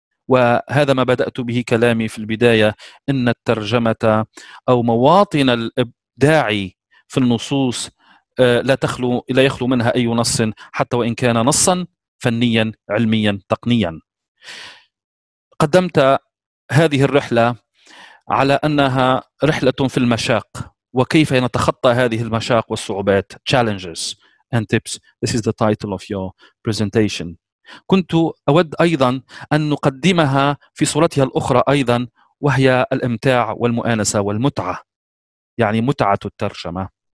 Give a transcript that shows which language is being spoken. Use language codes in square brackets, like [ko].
[ar] وهذا ما بدأت به كلامي في البداية، إن الترجمة أو مواطن الإبداع في النصوص لا يخلو منها أي نص، حتى وإن كان نصا فنيا علميا تقنيا. قدمت هذه الرحلة على أنها رحلة في المشاق، وكيف نتخطى هذه المشاق والصعوبات. [en] Challenges and tips. This is the title of your presentation. [ar] كنت أود أيضا أن نقدمها في صورتها الأخرى أيضا، وهي الإمتاع والمؤانسة والمتعة، يعني متعة الترجمة.